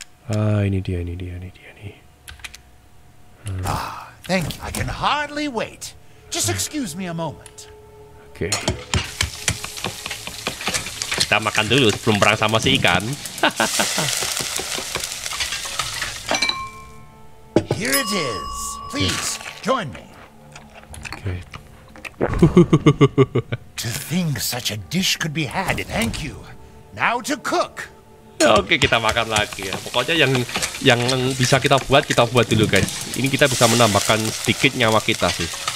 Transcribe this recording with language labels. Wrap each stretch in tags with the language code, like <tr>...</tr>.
<id>Ah, ini dia, ini dia, ini dia, ini.</id> <en>Ah, thank you. I can hardly wait. Just excuse me a moment. Oke. Okay.</en> <id>Kita makan dulu sebelum perang sama si ikan.</id> <en>Here it is. Please, join me. Oke. Okay. To think such a dish could be had, thank you. Now to cook.</en> <id>Oke, kita makan lagi ya. Pokoknya yang bisa kita buat dulu guys. Ini kita bisa menambahkan sedikit nyawa kita sih.</id>